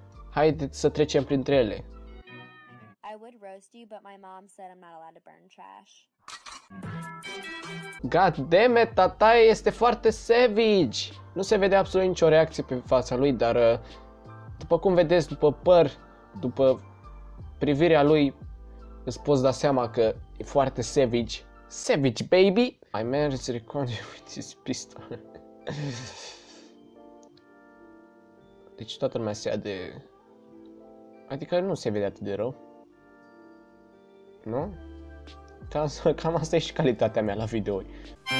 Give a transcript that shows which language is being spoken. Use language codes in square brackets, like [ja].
[ro] Haideți să trecem printre ele. [en] I would roast you, but my mom said I'm not allowed to burn trash. God damn it, [ro] tataie este foarte savage. Nu se vede absolut nicio reacție pe fața lui, dar după cum vedeți, după păr, după privirea lui, îți poți da seama că e foarte savage. [en] Savage baby. I managed to record you with this pistol. [ro] Deci toată lumea se ia de... Adică nu se vede atât de rău. Nu? Cam asta e și calitatea mea la videouri.